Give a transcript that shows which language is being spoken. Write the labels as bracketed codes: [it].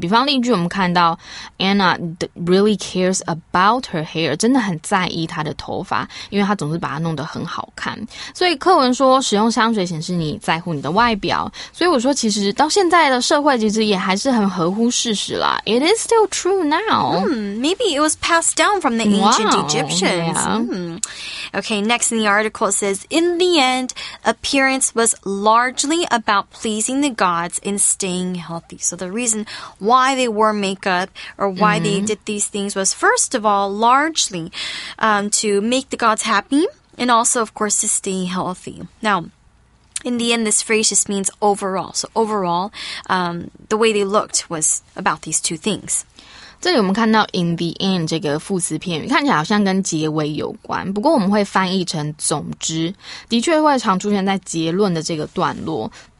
[zh] 比方例句，我们看到 [en] Anna really cares about her hair， [zh] 真的很在意她的头发，因为她总是把它弄得很好看。所以课文说使用香水显示你在乎你的外表，所以我说其实到现在。社会其实也还是很合乎事实啦。 [en] It is still true now. Maybe it was passed down from the ancient Egyptians. Okay, next in the article says, In the end, appearance was largely about pleasing the gods and staying healthy. So the reason why they wore makeup or why they did these things was, first of all, largely to make the gods happy and also, of course, to stay healthy. Now,In the end, this phrase just means overall. So overall, the way they looked was about these two things. [zh] 这里我们看到 in the end 这个副词片语看起来好像跟结尾有关，不过我们会翻译成总之，的确会常出现在结论的这个段落。